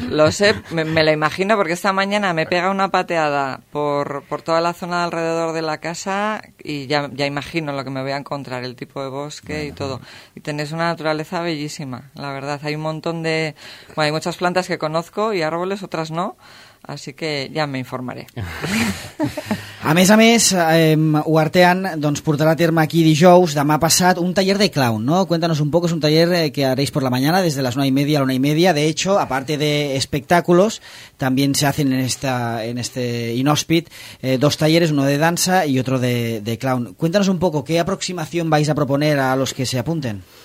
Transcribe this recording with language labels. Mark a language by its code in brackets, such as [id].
[es] Lo sé, me lo imagino, porque esta mañana me pega una pateada por toda la zona de alrededor de la casa y ya imagino lo que me voy a encontrar, el tipo de bosque, bueno, y todo. Y tenés una naturaleza bellísima, la verdad. Hay un montón de... Bueno, hay muchas plantas que conozco y árboles, otras no. Así que [ca] ja me informaré. A més, Uartean, doncs, portarà a terme aquí dijous, demà passat, un taller de clown, ¿no? [es] Cuéntanos un poco, es un taller que haréis por la mañana, desde las 9:30 a la 1:30. De hecho, aparte de espectáculos, también se hacen en este inhóspit 2 talleres, uno de danza y otro de clown. Cuéntanos un poco, ¿qué aproximación vais a proponer a los que se apunten?